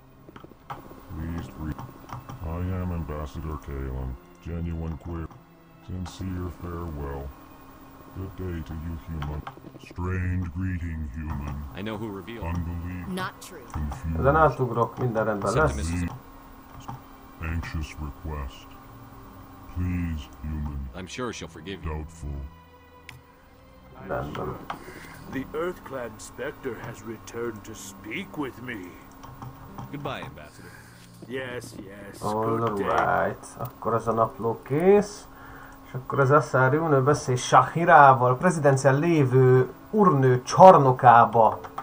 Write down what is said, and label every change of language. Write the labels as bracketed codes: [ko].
[en] Please read. I am Ambassador Kalen. Genuine queer. Sincere farewell. Good day to you, human. Strange greeting, human. I know who revealed. Unbelievable. Not true. Confused. [hu] Ezen átugrok, minden rendben lesz. [en] Anxious request. Please, human. I'm sure she'll forgive you. Doubtful. I'm sure. The Earthclan Spectre has returned to speak with me. Goodbye, Ambassador. Yes, yes. [hu] Alright, akkor az a napló kész. És akkor az Asari úrnő beszél Shahirával, prezidencián lévő úrnő csarnokába.